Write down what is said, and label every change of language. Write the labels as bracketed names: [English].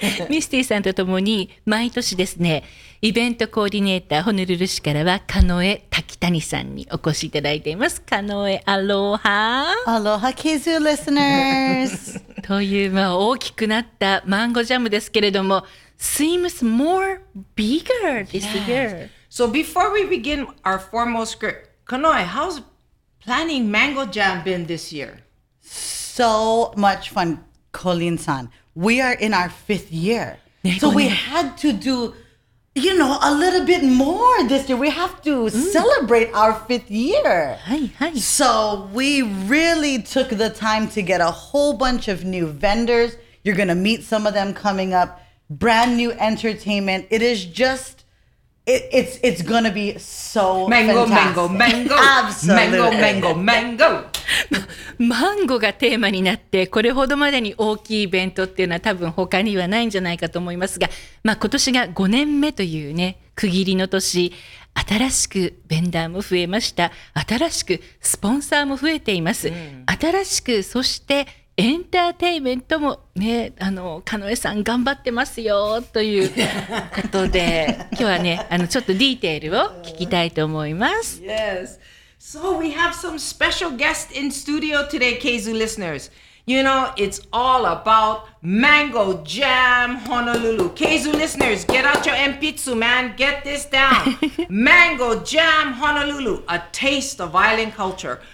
[Japanese] ミスティさんとともに毎年ですね、イベントコーディネーターホノルル市からはカノエ・タキタニさんにお越しいただいています。カノエ、アロハ。 [English] アロハ、キズーリスナーズ。 [Japanese] という、まあ、大きくなったマンゴージャムですけれども、 [English] seems more bigger this year. So before we begin our formal script, Kanoe, how's planning Mango Jam been this year? So much fun, Colleen-san. We are in our 5th year. So we had to dodo. You know, a little bit more this year. We have to celebrate our 5th year. Hi, hi. So we really took the time to get a whole bunch of new vendors. You're going to meet some of them coming up. Brand new entertainment. It is just, it's going to be so mango, fantastic. Mango, mango, mango. Absolutely. Mango, mango, mango. [Japanese] mango がテーマになって、これほどまでに大きいイベントっていうのは多分他にはないんじゃないかと思いますが、まあ、今年が5年目というね、区切りの年、新しくベンダーも増えました。新しくスポンサーも増えています。新しく、そしてエンターテイメントもね、あのカノエさん頑張ってますよということで今日はね、あのちょっとディテールを聞きたいと思います。 [English] YesSo we have some special guests in studio today, Kezu listeners. You know, it's all about Mango Jam Honolulu. Kezu listeners, get out your empitsu, man. Get this down. Mango Jam Honolulu, a taste of island culture.